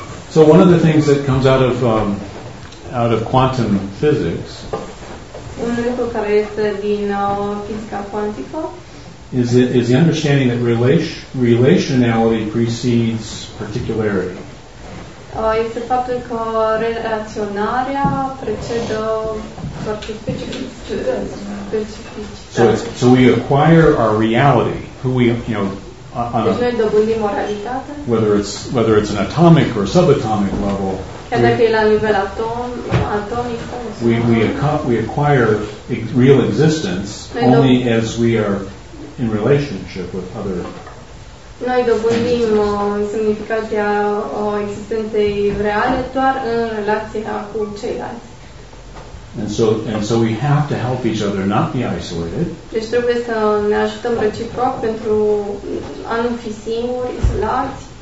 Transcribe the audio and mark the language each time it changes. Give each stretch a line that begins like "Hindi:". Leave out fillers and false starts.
English: So one of the things that comes out of quantum physics,
Romanian: un lucru care este din fizica cuantică,
English: is the understanding that relationality precedes particularity.
Romanian: Este faptul că relaționarea precedă foarte specificitatea.
English: So we acquire our reality, who we, you know, on
Romanian: deci noi dobândim o realitate.
English: Whether it's an atomic or subatomic level.
Romanian: Chiar dacă e la nivel atomic.
English: We acquire real existence only as we are in relationship with other.
Romanian: Noi dobândim semnificația existenței reale doar în relația cu ceilalți.
English: And so we have to help each other not be isolated.
Romanian: Deci trebuie să ne ajutăm reciproc pentru a nu fi singuri, izolați.